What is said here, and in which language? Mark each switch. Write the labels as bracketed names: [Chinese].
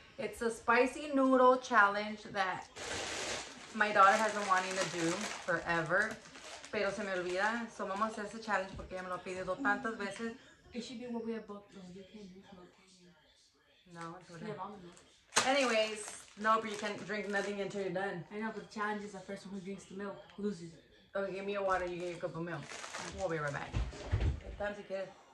[English] It's a spicy noodle challenge that my daughter has been wanting to do forever. [Spanish] Pero se me olvida. So vamos a hacer ese challenge porque ella me lo ha pedido tantas veces. [English] It should be what we have booked, though. You can't use no. Anyways, no, but you can't drink nothing until you're done. I know, but the challenge is the first one who drinks the milk loses. Okay, give me a water, you get your cup of milk. We'll be right back. Good time to get.